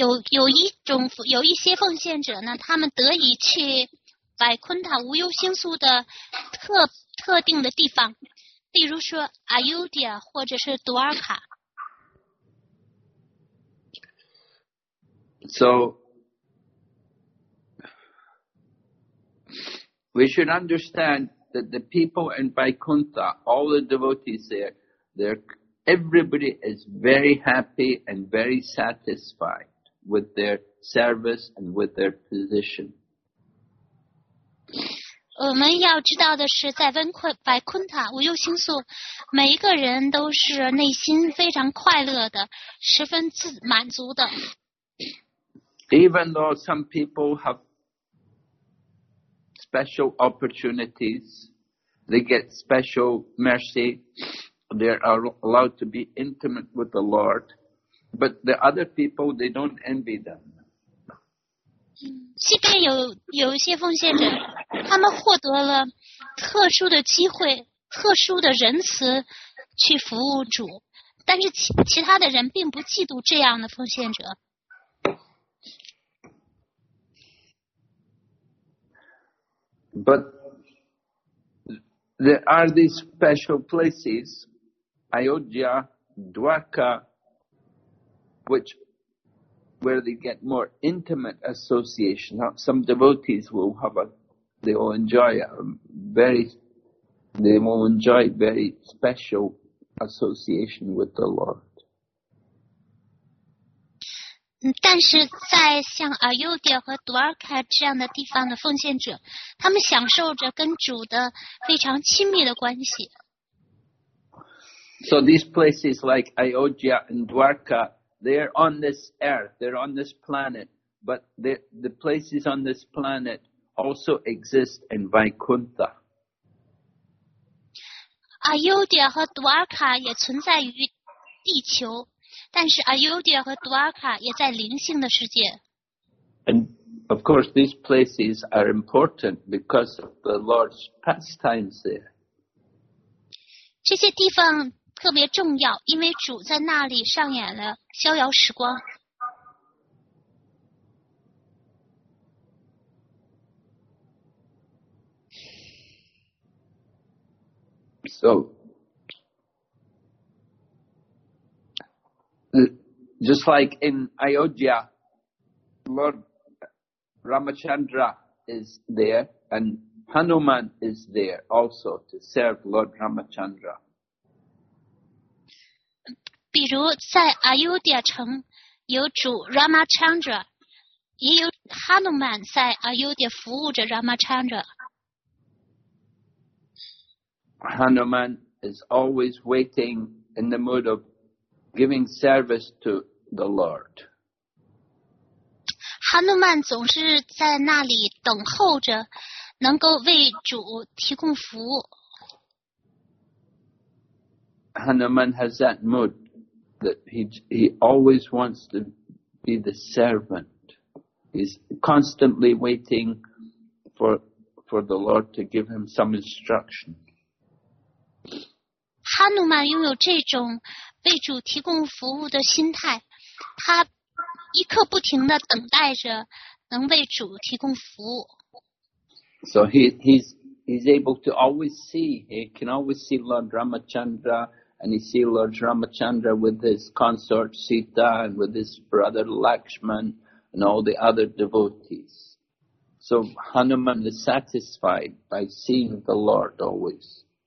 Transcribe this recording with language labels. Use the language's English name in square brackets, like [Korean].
[Chinese] 有一些奉献者呢，他们得以去百昆塔无忧星宿的特定的地方，例如说 Ayodhya 或者是 Dwarka。 [English] So we should understand that the people in Vaikuntha, all the devotees there, Everybody is very happy and very satisfied with their service and with their position. [Chinese] 我们要知道的是，在Vaikuntha无忧星宿，每一个人都是内心非常快乐的，十分满足的。 [English] Even though some people have special opportunities, they get special mercy.They are allowed to be intimate with the Lord. But the other people, they don't envy them. [Chinese] 西边有一些奉献者，他们获得了特殊的机会、特殊的仁慈去服务主，但是其他的人并不嫉妒这样的奉献者。 [English] But there are these special places, Ayodhya, Dwarka, which where they get more intimate association. Some devotees will have they will enjoy very special association with the Lord. [Chinese] 但是在像 Ayodhya 和 Dwarka 这样的地方的奉献者，他们享受着跟主的非常亲密的关系。 [English] So these places like Ayodhya and Dwarka, they're on this earth, they're on this planet, but the places on this planet also exist in Vaikuntha. [Chinese] Ayodhya 和 Dwarka 也存在于地球，但是 Ayodhya 和 Dwarka 也在灵性的世界。 [English] And of course, these places are important because of the Lord's pastimes there. [Chinese] 这些地方特别重要，因为主在那里上演了逍遥时光。 [English] So, just like in Ayodhya, Lord Ramachandra is there, and Hanuman is there also to serve Lord Ramachandra. [Chinese] 比如在 Ayodhya 城，有主 Ramachandra， 也有 Hanuman 在 Ayodhya 服务着 Ramachandra。 [English] Hanuman is always waiting in the mood of giving service to the Lord. [Chinese] Hanuman 总是在那里等候着，能够为主提供服务。 [English] Hanuman has that mood that he always wants to be the servant. He's constantly waiting for the Lord to give him some instruction. [Chinese] 哈努曼拥有这种为主提供服务的心态，他一刻不停地等待着能为主提供服务。 [English] So he's able to always see, he can always see Lord Ramachandra, and he sees Lord Ramachandra with his consort Sita and with his brother Lakshman and all the other devotees. So Hanuman is satisfied by seeing the Lord always.